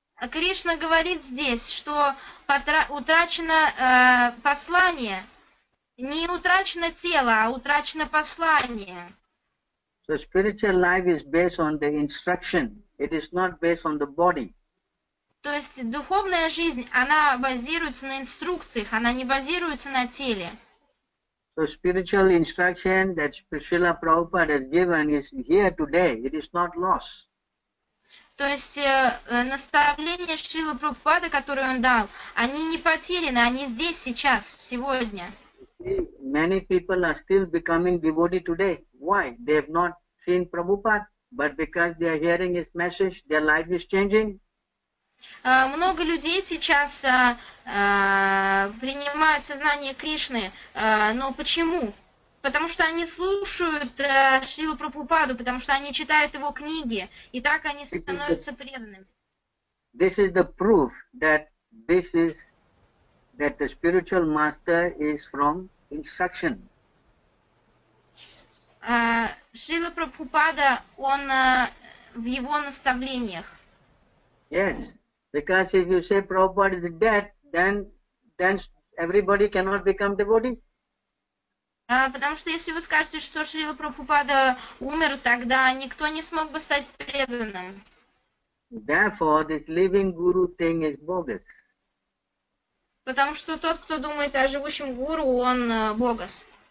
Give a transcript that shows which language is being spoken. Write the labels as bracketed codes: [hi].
[ru] Кришна говорит здесь, что утрачено послание. Не утрачено тело, а утрачено послание. [en] So spiritual life is based on the instruction. It is not based on the body. [ru] То есть духовная жизнь, она базируется на инструкциях, она не базируется на теле. [en] So spiritual instruction that Srila Prabhupada has given is here today. It is not lost. [ru] То есть наставления Шрилы Прабхупады, которые он дал, они не потеряны, они здесь сейчас, сегодня. [en] Many people are still becoming devotee today. Why? They have not seen Prabhupada, but because they are hearing his message, their life is changing. [ru] Много людей сейчас принимают сознание Кришны, но почему? Потому что они слушают Шрилу Прабхупаду, потому что они читают его книги, и так они становятся преданными. [en] This is the proof that this is that the spiritual master is from instruction. [ru] Шрила Прабхупада, он в его наставлениях. [en] Yes. Because if you say Prabhupada is dead, then everybody cannot become devotee. [ru] Потому что если вы скажете, что Шрила Прабхупада умер, тогда никто не смог бы стать преданным. [en] Therefore, this living guru thing is bogus. [ru] Потому что тот, кто думает о живущем гуру, он богос.